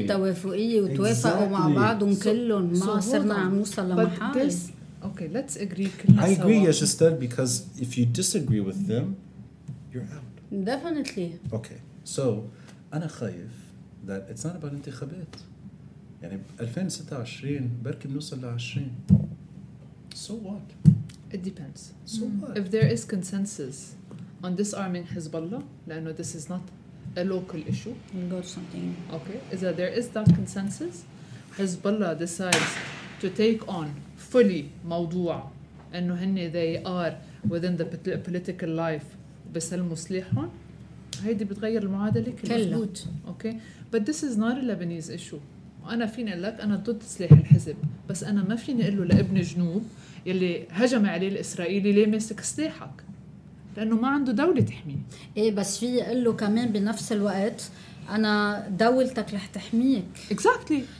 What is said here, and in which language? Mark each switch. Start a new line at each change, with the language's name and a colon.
Arabic: التوافقية وتوافقوا مع بعضهم كلهم ما صرنا عم نوصل لمحل.
English: Okay, let's agree
Arabic: كلنا سوا.
English: I agree, yes, Gistelle, because if you disagree with them, you're out. Definitely. Okay, so
Arabic: أنا خايف
English: that it's not about
Arabic: انتخابات. يعني 2026 بركي بنوصل لعشرين.
English: So what? It depends. So what? If there is consensus on disarming Hezbollah,
Arabic: لأنه
English: this is not a local issue. We got something. Okay, is that there is that consensus? Hezbollah decides to take on fully
Arabic: موضوع إنه هن
English: they are within the political life
Arabic: بسلموا سلاحهم. هيدي بتغير المعادلة كلها.
English: Okay, but this is not a Lebanese issue.
Arabic: أنا فيني لك أنا ضد سلاح الحزب, بس أنا ما فيني أقول له لابن جنوب يلي هجم عليه الإسرائيلي ليه ماسك سلاحك؟ لأنه ما عنده دولة تحميه. إيه بس في يقول له كمان بنفس الوقت أنا دولتك رح تحميك.
English: Exactly.